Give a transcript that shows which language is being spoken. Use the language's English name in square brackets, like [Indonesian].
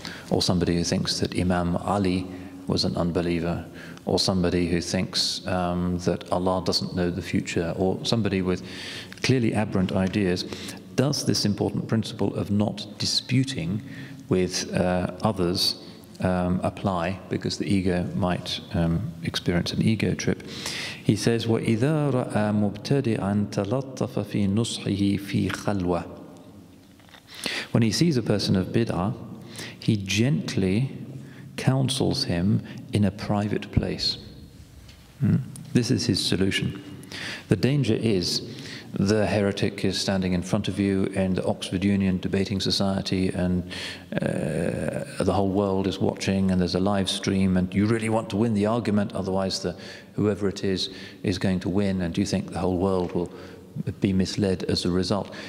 [English] Or somebody who thinks that Imam Ali was an unbeliever, or somebody who thinks that Allah doesn't know the future, or somebody with clearly aberrant ideas, does this important principle of not disputing with others apply, because the ego might experience an ego trip? He says, [Arabic] وَإِذَا رَأَى مُبْتَدِعًا تَلَطَّفَ فِي نُصْحِهِ فِي خَلْوَةٍ. [English] When he sees a person of bid'ah, he gently counsels him in a private place. This is his solution. The danger is the heretic is standing in front of you in the Oxford Union Debating Society, and the whole world is watching, and there's a live stream, and you really want to win the argument, otherwise the whoever it is going to win, and you think the whole world will be misled as a result.